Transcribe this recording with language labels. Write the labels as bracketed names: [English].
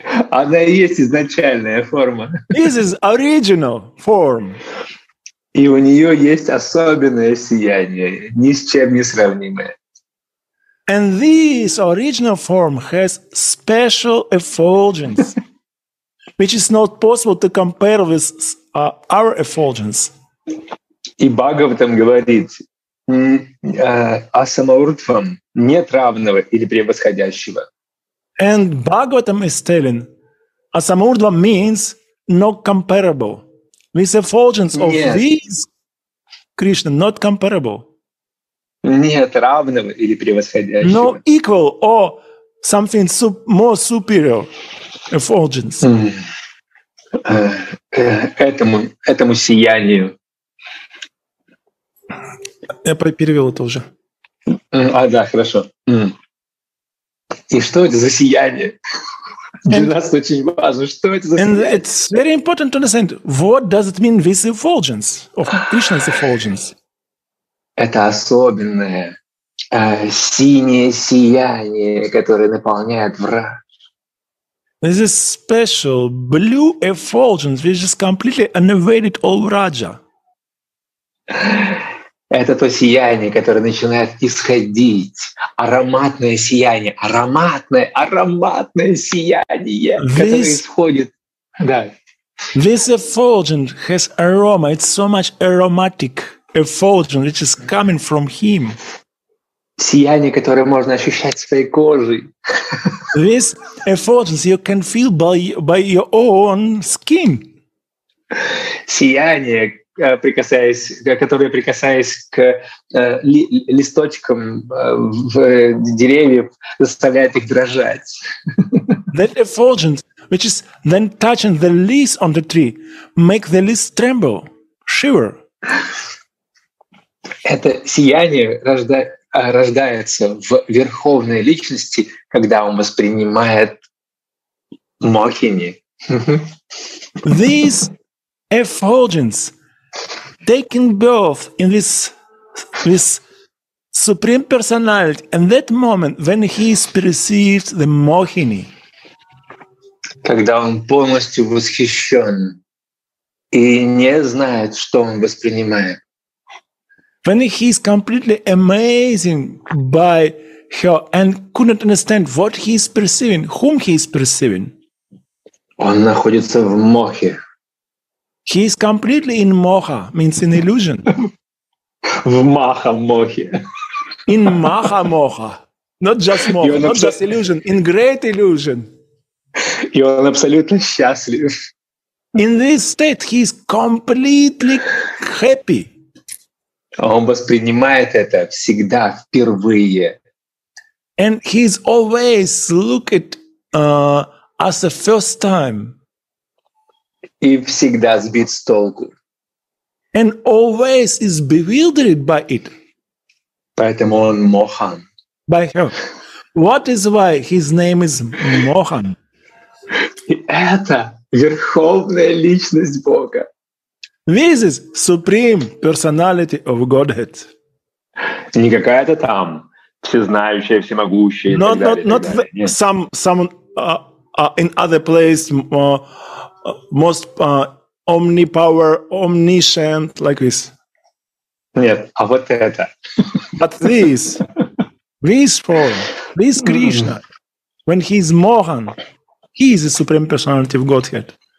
[Russian] Она и есть изначальная форма. [English] This is original form. [Russian] И у нее есть особенное сияние, ни с чем не сравнимое. [English] And this original form has special effulgence, which is not possible to compare with our effulgence. [Russian] И Бхагаватам говорит, асамаурдхам нет равного или превосходящего. [English] And Bhagavatam is telling, Asamurdva means not comparable. With effulgence of these, Krishna, not comparable. [Russian] Нет, равным или превосходящим. [English] No equal or something more superior effulgence. [Russian] Этому сиянию. Я перевел это уже. А, да, хорошо. И что это за сияние? Для нас очень важно, что это за сияние. [English] And it's very important to understand, what does it mean this effulgence, of Krishna's effulgence? [Russian] Это особенное синее сияние, которое наполняет враг. [English] This is special blue effulgence, which is completely unavailed all Raja. [Russian] Это то сияние, которое начинает исходить. Ароматное сияние. Ароматное сияние, которое исходит. Да. [English] This effulgence has aroma. It's so much aromatic effulgence, which is coming from him. [Russian] Сияние, которое можно ощущать своей кожей. [English] This effulgence you can feel by your own skin. [Russian] Сияние, которое прикасаясь к листочкам в деревьях, заставляет их дрожать. [English] That effulgence, which is then touching the leaves on the tree, make the leaves tremble, shiver. [Russian] Это сияние рождается в верховной личности, когда он воспринимает мохини. [English] This effulgence taking birth in this supreme personality, and that moment when he is perceived the mohini. [Russian] Когда он полностью восхищен и не знает, что он воспринимает. [English] When he is completely amazing by her and couldn't understand what he is perceiving, whom he is perceiving. [Russian] Он находится в мохе. [English] He is completely in moha, means in illusion. [Russian] В маха мохе. [English] In маха моха. Not just моха, not just illusion, in great illusion. [Russian] И он абсолютно счастлив. [English] In this state he is completely happy. [Russian] Он воспринимает это всегда впервые. [English] And he is always look at as the first time. [Russian] И всегда сбит с толку. [English] And always is bewildered by it. [Russian] Поэтому он Мохан. [English] By him. What is why his name is Mohan? [Russian] Это верховная личность Бога. [English] This is supreme personality of Godhead. [Russian] Не какая-то там всезнающая, всемогущая. [English] Not someone in other place most omnipower, omniscient, like this. [Russian] Нет, а вот это. [English] But this form, this Krishna, when he is Mohan, he is the supreme personality of Godhead.